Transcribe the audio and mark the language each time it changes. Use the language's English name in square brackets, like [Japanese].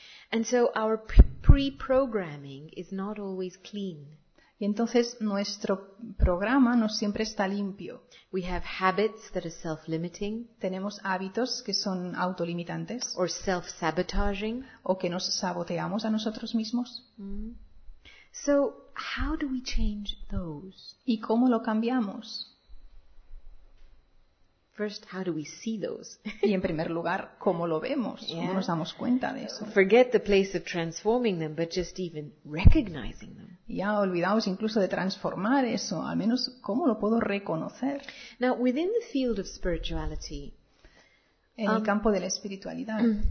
[English] And so our pre-programming is not always clean. [Spanish] Y entonces nuestro programa no siempre está limpio. [English] We have habits that are self-limiting. [Spanish] Tenemos hábitos que son autolimitantes. [English] Or self-sabotaging. [Spanish] O que nos saboteamos a nosotros mismos. [English] So how do we change those? [Spanish] ¿Y cómo lo cambiamos? [English] First, how do we see those? [Spanish] Y en primer lugar, ¿cómo lo vemos? [English] Yeah. [Spanish] ¿Cómo nos damos cuenta de eso? [English] Forget the place of transforming them, but just even recognizing them. [Spanish] Ya olvidaos incluso de transformar eso, al menos ¿cómo lo puedo reconocer? [English] Now, within the field of spirituality, [Spanish] en el campo de la espiritualidad,